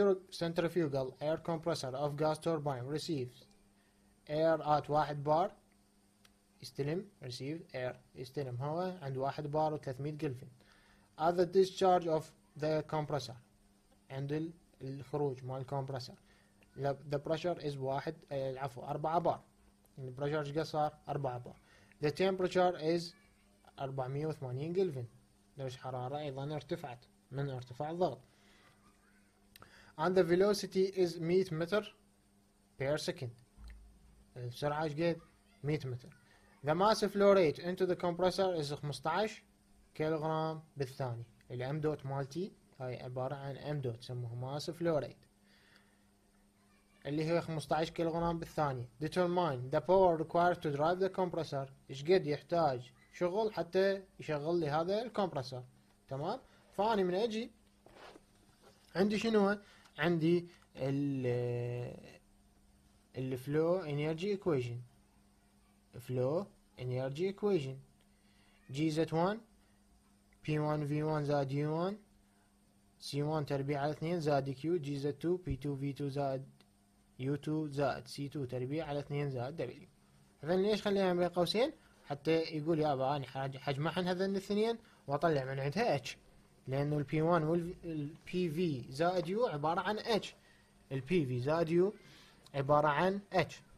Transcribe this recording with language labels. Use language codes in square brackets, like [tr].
[en] Centrifugal air compressor of gas turbine receives air at 1 bar. [ar] يستلم [en] receive air، [ar] يستلم هواء عند 1 bar و300 جلفن. [en] At the discharge of the compressor، [ar] عند الخروج مال الكمبرسر، [en] the pressure is 4 bar. The pressure is 4 bar. The temperature is 480 kelvin. [ar] درجة حرارة أيضا ارتفعت من ارتفاع الضغط. [en] And the velocity is 100 meter per second. [ar] السرعة ايش قد؟ 100 متر. [en] The mass flow rate into the compressor is 15 [ar] كيلوغرام بالثاني. الام دوت مالتي هاي عبارة عن ام دوت سموها [en] mass flow rate، [ar] اللي هي 15 كيلوغرام بالثانية. [en] Determine the power required to drive the compressor. [ar] إيش قد يحتاج شغل حتى يشغل لي هذا الكمبرسر؟ تمام؟ فأنا من أجي عندي شنو؟ عندي ال [en] flow energy equation. Flow energy equation. [ar] G_z1 P1V1 زائد U1 C1 تربيع على 2 زائد Q. G_z2 P2V2 زائد U2 زائد C2 تربيع على 2 زائد W. إذن ليش خليها بين قوسين؟ حتى يقول يا أبا أنا حجمعهن هذين الاثنين وأطلع من عندها H، لأنه ال P1 وال PV زائد U عبارة عن H، ال PV زائد U عبارة عن H.